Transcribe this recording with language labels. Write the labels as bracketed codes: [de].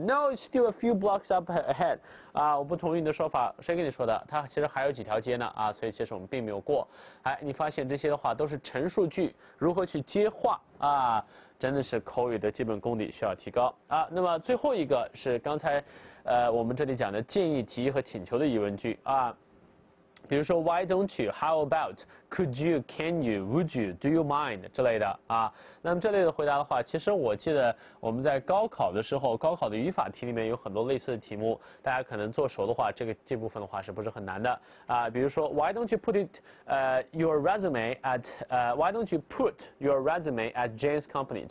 [en] No, it's still a few blocks up ahead. [zh] 啊，我不同意你的说法。谁跟你说的？他其实还有几条街呢啊，所以其实我们并没有过。还来，你发现这些的话都是陈述句，如何去接话啊？真的是口语的基本功底需要提高啊。那么最后一个是刚才，我们这里讲的建议、提议和请求的疑问句啊。比如说 [en] ，Why don't you? How about? Could you? Can you? Would you? Do you mind? [zh] 之类的啊。那么这类的回答的话，其实我记得我们在高考的时候，高考的语法题里面有很多类似的题目，大家可能做熟的话，这部分的话是不是很难的啊？比如说 [en] ，Why don't you put your resume at? Why don't you put your resume at Jane's company?